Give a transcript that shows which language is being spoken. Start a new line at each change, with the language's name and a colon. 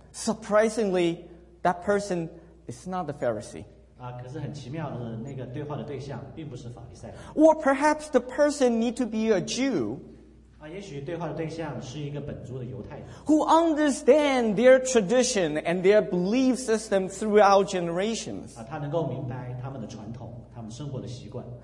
English: Surprisingly, that person is not the Pharisee.
Chinese: 可是很奇妙的那个对话的对象并不是法利赛。
English: Or perhaps the person need to be a Jew.
Chinese: 也许对话的对象是一个本族的犹太人。
English: Who understand their tradition and their belief system throughout generations.
Chinese: 他能够明白他们的传统，他们生活的习惯。